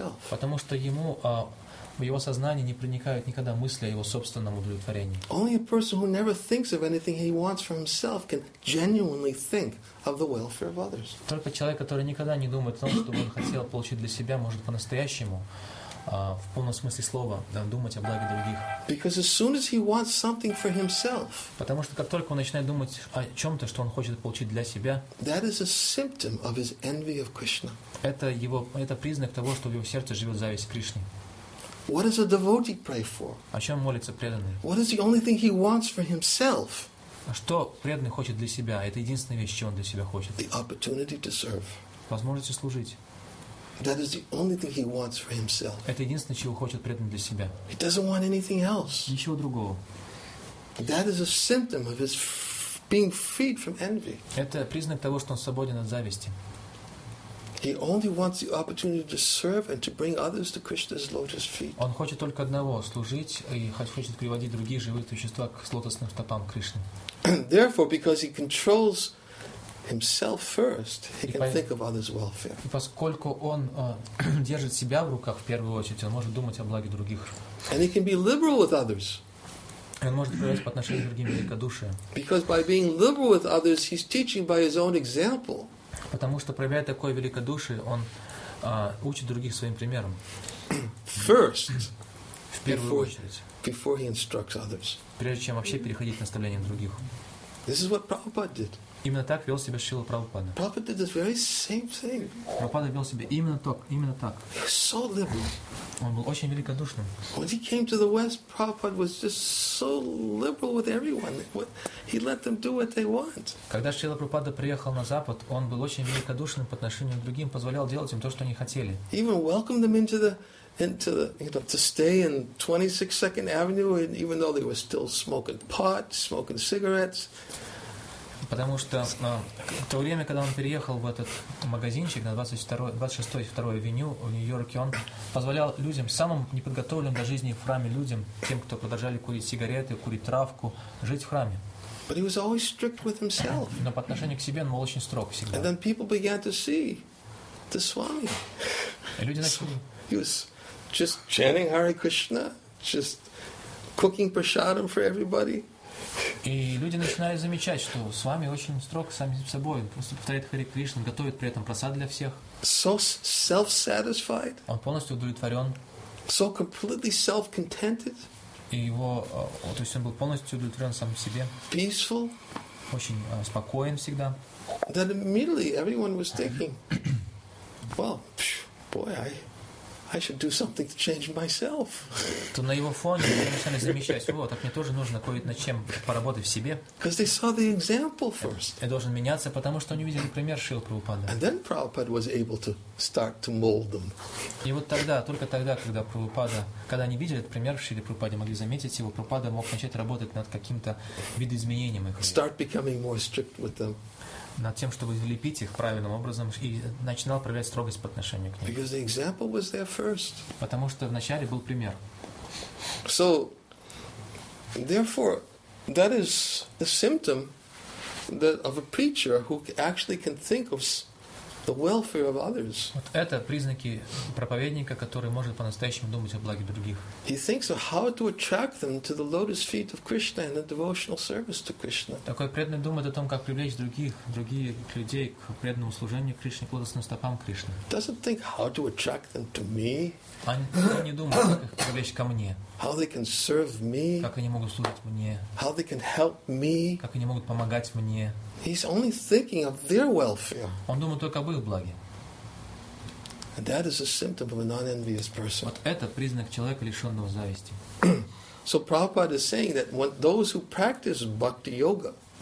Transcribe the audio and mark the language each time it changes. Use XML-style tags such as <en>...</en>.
<ru>Потому что ему, в его сознании не проникают никогда мысли о его собственном удовлетворении.</ru> <en>Only a person who never thinks of anything he wants for himself can genuinely think of the welfare of others.</en> <ru>Только человек, который никогда не думает о том, что он хотел получить для себя, может по-настоящему в полном смысле слова, да, думать о благе других.</ru> <en>Because as soon as he wants something for himself,</en> <ru>потому что как только он начинает думать о чем-то, что он хочет получить для себя,</ru> <en>that is a symptom of his envy of Krishna.</en> <ru>Это признак того, что в его сердце живет зависть к Кришне.</ru> <en>What does a devotee pray for?</en> <ru>О чем молится преданный?</ru> <en>What is the only thing he wants for himself?</en> <ru>Что преданный хочет для себя? Это единственная вещь, чего он для себя хочет.</ru> <en>The opportunity to serve.</en> <ru>Возможность служить.</ru> <en>That is the only thing he wants for himself.</en> <ru>Это единственное, чего хочет преданный для себя.</ru> <en>He doesn't want anything else.</en> <ru>Ничего другого.</ru> <en>That is a symptom of his being freed from envy.</en> <ru>Это признак того, что он свободен от зависти.</ru> <en>He only wants the opportunity to serve and to bring others to Krishna's lotus feet.</en> <ru>Он хочет только одного — служить и хочет приводить другие живые существа к лотосным стопам Кришны.</ru> <en>Therefore, because he controls himself first, he can think of others' welfare.</en> <ru>И поскольку он держит себя в руках в первую очередь, он может думать о благе других.</ru> <en>And he can be liberal with others.</en> <ru>Он может проявлять по отношению к другим великодушие.</ru> <en>Because by being liberal with others, he's teaching by his own example.</en> <ru>Потому что проявляя такое великодушие, он учит других своим примером.</ru> <en>First,</en> <ru>в первую очередь.</ru> <en>Before he instructs others.</en> <ru>Прежде чем вообще переходить к наставлениям других.</ru> <en>This is what Prabhupada did.</en> <ru>Именно так вел себя Шрила Прабхупада. Прабхупада вел себя именно так.</ru> <en>He was so liberal.</en> <ru>Он был очень великодушным.</ru> <en>When he came to the West, Prabhupada was just so liberal with everyone. He let them do what they want.</en> <ru>Когда Шрила Прабхупада приехал на Запад, он был очень великодушным по отношению к другим, позволял делать им то, что они хотели.</ru> <en>Even welcomed them into the stay in 26 Second Avenue, and even though they were still smoking pot, smoking cigarettes.</en> <ru>Потому что в то время, когда он переехал в этот магазинчик на 26-й авеню в Нью-Йорке, он позволял людям, самым неподготовленным для жизни в храме людям, тем, кто продолжали курить сигареты, курить травку, жить в храме.</ru> <en>But he was always strict with himself.</en> <ru>Но по отношению к себе он был очень строг всегда.</ru> <en>And then people began to see the Swami.</en> <ru>И люди начали...</ru> <en>He was just chanting Hare Krishna, just cooking prasadam for everybody.</en> <ru>И люди начинают замечать, что с вами очень строг сами с собой, просто повторяет Хари Кришна, готовит при этом просад для всех.</ru> <en>So self-satisfied.</en> <ru>Он полностью удовлетворен.</ru> <en>So completely self-contented.</en> <ru>И его, то есть он был полностью удовлетворен сам в себе.</ru> <en>Peaceful.</en> <ru>Очень спокоен всегда.</ru> <en>Then immediately everyone was thinking, well, boy, I should do something to change myself.</en> <ru>То на его фоне начинали замечать, вот, так мне тоже нужно кое-что над чем поработать в себе.</ru> <en>Because they saw the example first.</en> <ru>Я должен меняться, потому что они видели пример Шрилы Прабхупады.</ru> <en>And then Prabhupada was able to start to mold them.</en> <ru>И вот тогда, только тогда, когда Прабхупада, когда они видели этот пример Шрилы Прабхупады, могли заметить его, Прабхупада мог начать работать над каким-то видоизменением их.</ru> <en>Start becoming more strict with them.</en> <ru>Над тем, чтобы залепить их правильным образом, и начинал проявлять строгость по отношению к ним.</ru> <en>Because the example was there first.</en> <ru>Потому что вначале был пример.</ru> <en>So, therefore, that is a symptom that of a preacher who actually can think of The welfare of others.</en> <ru>Вот это признаки проповедника, который может по-настоящему думать о благе других.</ru> <en>He thinks of how to attract them to the lotus feet of Krishna and the devotional service to Krishna.</en> <ru>Такой преданный думает о том, как привлечь другие людей к преданному служению Кришне, к лотосным стопам Кришны.</ru> <en>Doesn't think how to attract them to me.</en> <ru>Он не думает, как их привлечь ко мне.</ru> <en>How they can serve me.</en> <ru>Как они могут служить мне.</ru> <en>How they can help me.</en> <ru>Как они могут помогать мне.</ru> <en>He's only thinking of their welfare.</en> <ru>Он думает только об их благе.</ru> <en>And that is a symptom of a non-envious person.</en> <ru>Вот это признак человека, лишенного зависти.</ru> <en>So Prabhupada is saying that when those who practice bhakti yoga.</en>